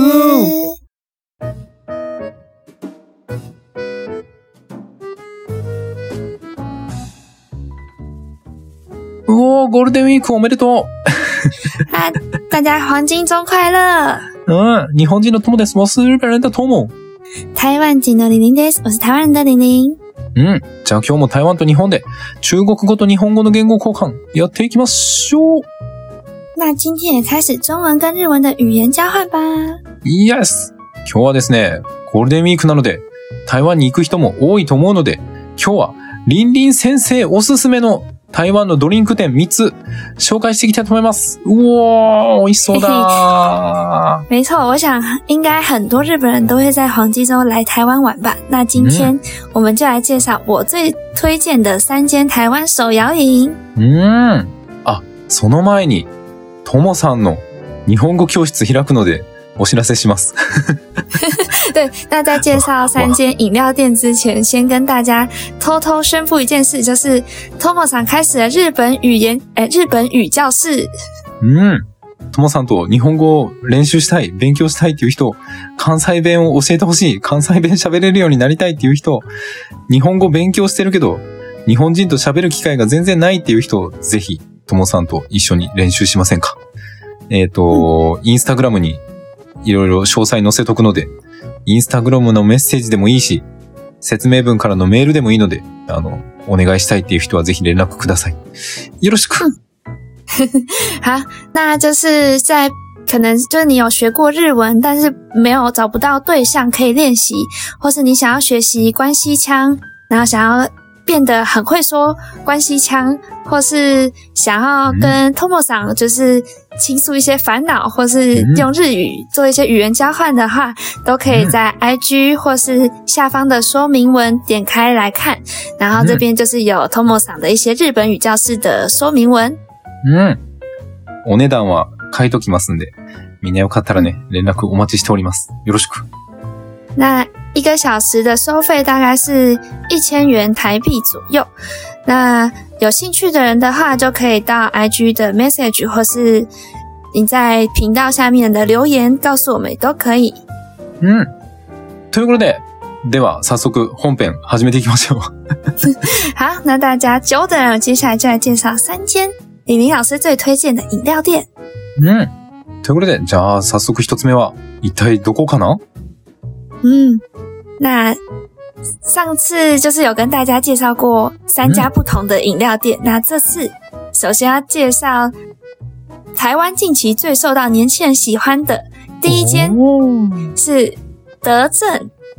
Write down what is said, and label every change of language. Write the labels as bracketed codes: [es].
[ja] うおー、ゴールデンウィークおめでとう。 [zh] 大家黄金周快乐。 [ja] うん、日本人の友です。 [zh] 我是日本人的友。 [ja] 台湾人のリリンです。 [zh] 我是台湾人的リリン。 [ja] うん、じゃあ今日も台湾と日本で中国語と日本語の言語交換やっていきましょう。 [zh] 那今天也开始中文跟日文的语言交换吧。 [en] Yes! [ja] 今日はですね、ゴールデンウィークなので台湾に行く人も多いと思うので、今日はリンリン先生おすすめの台湾のドリンク店3つ紹介していきたいと思います。うおー、美味しそうだ。 [zh] 没错，我想应该很多日本人都会在黄金周来台湾玩吧。那今天我们就来介绍我最推荐的三间台湾手摇饮。 [ja] あ、その前にともさんの日本語教室開くのでお知らせします。 [zh] 对，那在介绍三间饮料店之前，先跟大家偷偷宣布一件事，就是 Tomo さん开始了日本语言，日本语教室。 [ja] 嗯 ，Tomo さんと日本語を練習したい、勉強したいっていう人、関西弁を教えてほしい、関西弁喋れるようになりたいっていう人、日本語勉強してるけど日本人と喋る機会が全然ないっていう人、ぜひ Tomo さんと一緒に練習しませんか。インスタグラムにいろいろ詳細載せとくので。インスタグラムのメッセージでもいいし、説明文からのメールでもいいので、お願いしたいっていう人はぜひ連絡ください。よろしく。 [zh] 好，那就是在可能就是你有学过日文，但是没有找不到对象可以练习，或是你想要学习关西腔，然后想要变得很会说关西腔，或是想要跟 Tomo さん就是倾诉一些烦恼，或是用日语做一些语言交换的话，都可以在 IG 或是下方的说明文点开来看。然后这边就是有 Tomo さん的一些日本语教室的说明文。 [ja] 嗯，お値段は書いときますんで、みんなよかったらね、連絡お待ちしております。よろしく。 [zh] 那一个小时的收费大概是1000元台币左右。那有兴趣的人的话，就可以到 IG 的 message 或是你在频道下面的留言告诉我们都可以。 [ja] 嗯，ということで、では早速本編始めていきましょう。 [zh] 好，那大家久等了，接下来就来介绍三间李林老师最推荐的饮料店。 [ja] 嗯，ということで、じゃあ早速一つ目は一体どこかな？ [zh] 嗯，那上次就是有跟大家介绍过三家不同的饮料店，那这次首先要介绍台湾近期最受到年轻人喜欢的第一间是德政。